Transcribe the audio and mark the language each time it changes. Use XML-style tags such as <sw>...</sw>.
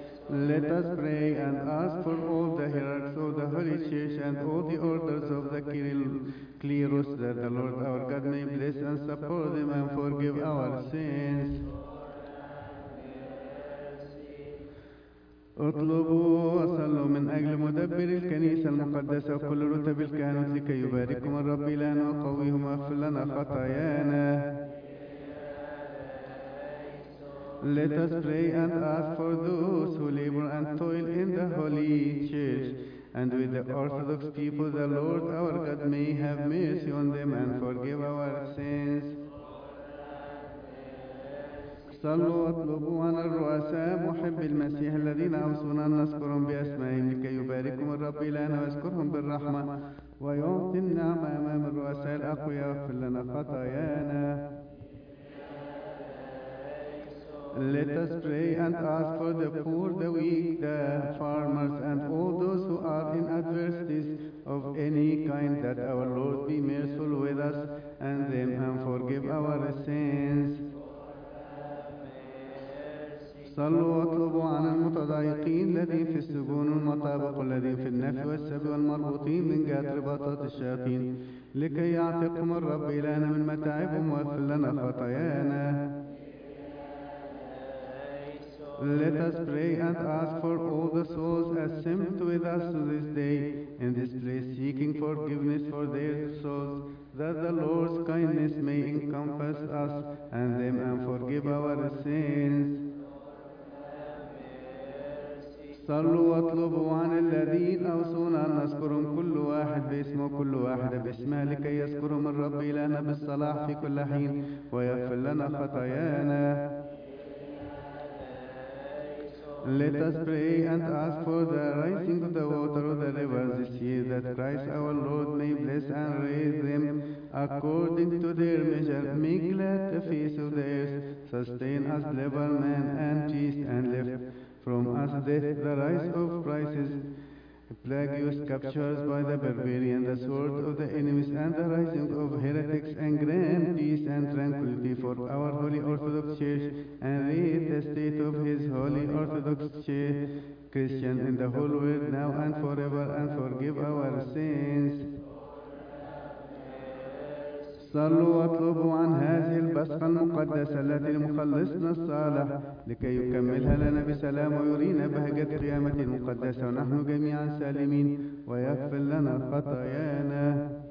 <en>Let us pray and ask for all the hierarchs of the Holy Church and all the orders of the Kirill Clerus, that the Lord our God may bless and support them and forgive our sins.</en> <ar>اطلبوا وصلوا من أجل مدبر الكنيسة المقدسة وكل رتب الكهنوت لكي يباركهم الرب لنا وقويهم واغفر لنا خطايانا.</ar> <en>Let us pray and ask for those who labor and toil in the Holy Church, and with the Orthodox people, the Lord our God may have mercy on them and forgive our sins.</en> <ar>صلوا واطلبوا عن الرؤساء محبي المسيح الذين أوصونا أن نذكرهم بأسمائهم لكي يباركهم الرب لنا ويذكرهم بالرحمة ويعطي النعمة أمام الرؤساء الأقوياء واغفر لنا خطايانا.</ar> <en>Let us pray and ask for the poor, the weak, the farmers, and all those who are in adversities of any kind, that our Lord be merciful with us and them and forgive our sins.</en> <ar>صلوا واطلبوا عن المتضايقين الذين في السجون والمطابق والذين في النفي والسبي والمربوطين من جهة رباطات الشياطين لكي يعتقهم الرب إلينا من متاعبهم واغفر لنا خطايانا.</ar> <en>Let us pray and ask for all the souls assembled with us this day in this place seeking forgiveness for their souls, that the Lord's kindness may encompass us and them and forgive our sins.</en> <ar>صلوا واطلبوا عن الذين أوصونا أن نذكرهم كل واحد باسمه كل واحد باسمه لكي يذكرهم الرب إلينا بالصلاح في كل حين ويغفر لنا خطايانا.</ar> <en>Let us pray and ask for the rising of the water of the rivers this year, that Christ our Lord may bless and raise them according to their measure, make glad the face of theirs, sustain us, level man and peace, and lift from us death, the rise of prices, plagues, captures by the barbarian, the sword of the enemies, and the rising of heretics, and grant peace and tranquility for our Holy Orthodox Church, and raise the state of His Holy Orthodox Church, Christian, in the whole world, now and forever, and forgive our sins.</en> <ar>صلوا واطلبوا عن هذه البصقة المقدسة التي مخلصنا الصالح لكي يكملها لنا بسلام ويرينا بهجة قيامة المقدسة ونحن جميعا سالمين ويغفر لنا خطايانا.</ar>